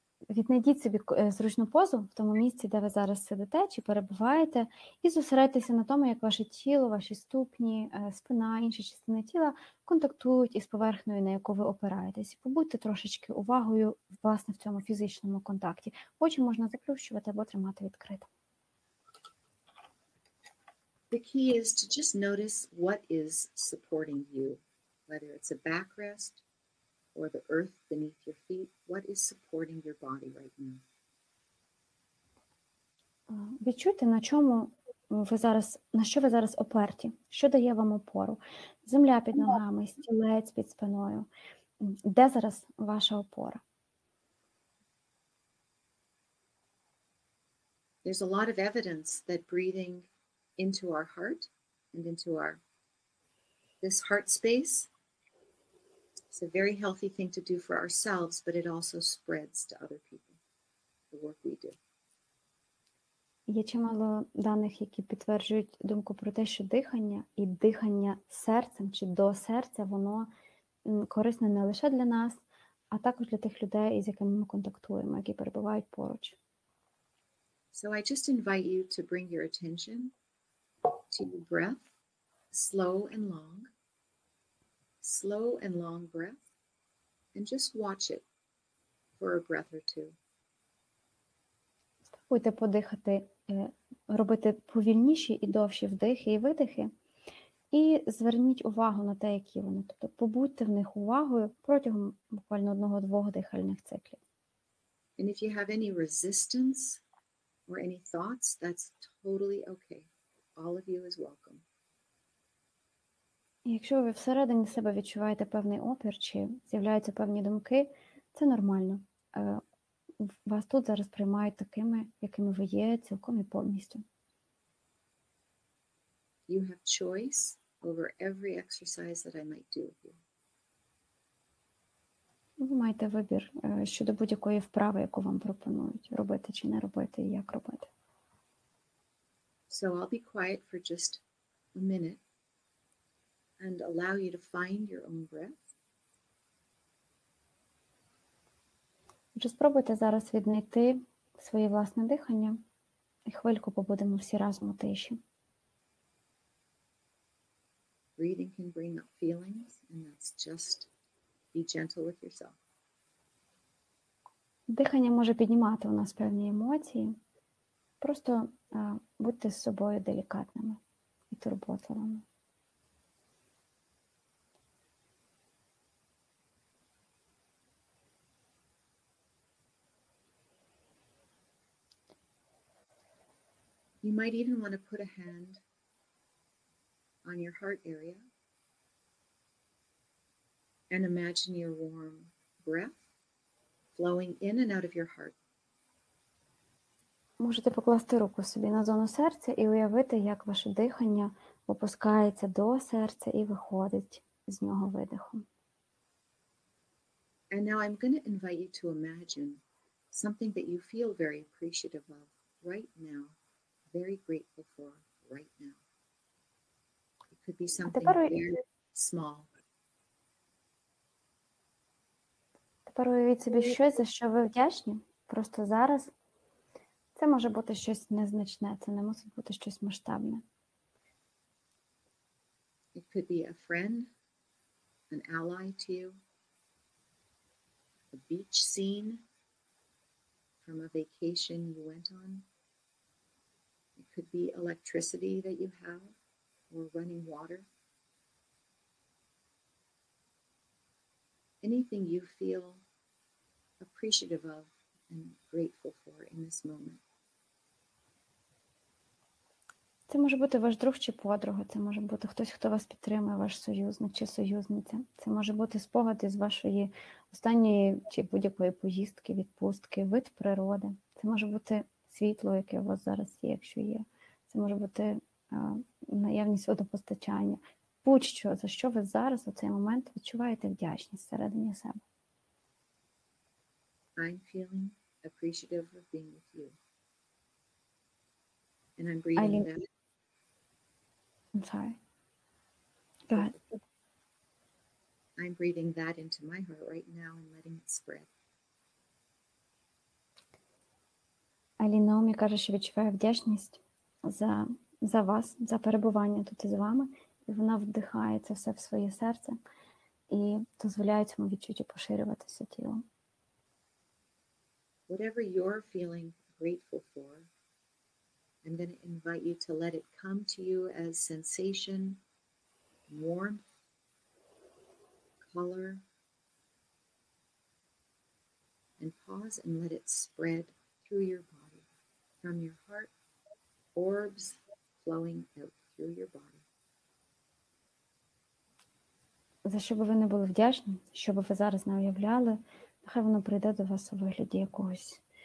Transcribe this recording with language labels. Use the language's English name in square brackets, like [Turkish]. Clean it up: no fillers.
[Ukrainian] Віднайдіть собі зручну позу в тому місці, де ви зараз сидите чи перебуваєте, і зосередьтеся на тому, як ваше тіло, ваші ступні, спина, інші частини тіла контактують із поверхнею, на яку ви опираєтесь. Побудьте трошечки увагою, власне, в цьому фізичному контакті. Очі можна заплющувати або тримати відкрито. [English] The key is to just notice what is supporting you, whether it's a backrest, or the earth beneath your feet, what is supporting your body right now? [Ukrainian] Відчуйте, на чому ви зараз, на що ви зараз оперті, що дає вам опору. Земля під ногами, стілець під спиною. Де зараз ваша опора? [English] there's a lot of evidence that breathing into our heart and into our this heart space, it's a very healthy thing to do for ourselves, but it also spreads to other people, the work we do. [Ukrainian] Є чимало даних, які підтверджують думку про те, що дихання і дихання серцем чи до серця, воно корисне не лише для нас, а також для тих людей, із якими ми контактуємо, які перебувають поруч. [English] So I just invite you to bring your attention to your breath, slow and long. Slow and long breath, and just watch it for a breath or two. [Ukrainian] Спробуйте подихати, робити повільніші і довші вдихи і видихи, і зверніть увагу на те, які вони. Тобто побудьте в них увагою протягом буквально 1-2 дихальних циклів. [English] And if you have any resistance or any thoughts, that's totally okay. All of you is welcome. [Ukrainian] Якщо ви всередині себе відчуваєте певний опір чи з'являються певні думки, це нормально. Вас тут зараз приймають такими, якими ви є, цілком і повністю. [English] You have choice over every exercise that I might do with you. [Ukrainian] Ви маєте вибір щодо будь-якої вправи, яку вам пропонують робити чи не робити, і як робити. [English] So I'll be quiet for just a minute. And allow you to find your own breath. [Ukrainian] Вже спробуйте зараз віднайти своє власне дихання. І хвильку побудемо всі разом у тиші. [English] Breathing can bring up feelings, and that's just be gentle with yourself. [Ukrainian] Дихання може піднімати у нас певні емоції. Просто будьте з собою делікатними і турботливими. [English] You might even want to put a hand on your heart area and imagine your warm breath flowing in and out of your heart. [Ukrainian] Можете покласти руку собі на зону серця і уявити, як ваше дихання опускається до серця і виходить з нього видихом. [English] And now I'm going to invite you to imagine something that you feel very appreciative of right now. Very grateful for right now. It could be something very small. [Ukrainian] Тепер уявіть собі щось, за що ви вдячні. Просто зараз це може бути щось незначне, це не мусить бути щось масштабне. [English] It could be a friend, an ally to you, a beach scene from a vacation you went on. It could be electricity that you have, or running water. Anything you feel appreciative of and grateful for in this moment. [Ukrainian] Це може бути ваш друг чи подруга, це може бути хтось, хто вас підтримує, ваш союзник чи союзниця. Це може бути спогад із вашої останньої чи будь-якої поїздки, відпустки, вид природи. Це може бути світло, яке у вас зараз є, якщо є. Це може бути наявність водопостачання. Будь-що, за що ви зараз у цей момент відчуваєте вдячність всередині себе. [English] I'm feeling appreciative of being with you. And I'm breathing in. I'm sorry. Go ahead. I'm breathing that into my heart right now and letting it spread. [Ukrainian] Аліна Омі каже, що відчуває вдячність за вас, за перебування тут із вами. І вона вдихає це все в своє серце і дозволяє цьому відчуттю поширюватися тілом. [English] Whatever you're feeling grateful for, I'm going to invite you to let it come to you as sensation, warmth, color, and pause and let it spread through your body. From your heart, orbs flowing out through your body. [Ukrainian] За що би ви не були вдячні, що би ви зараз не уявляли, нехай воно прийде до вас у вигляді якогось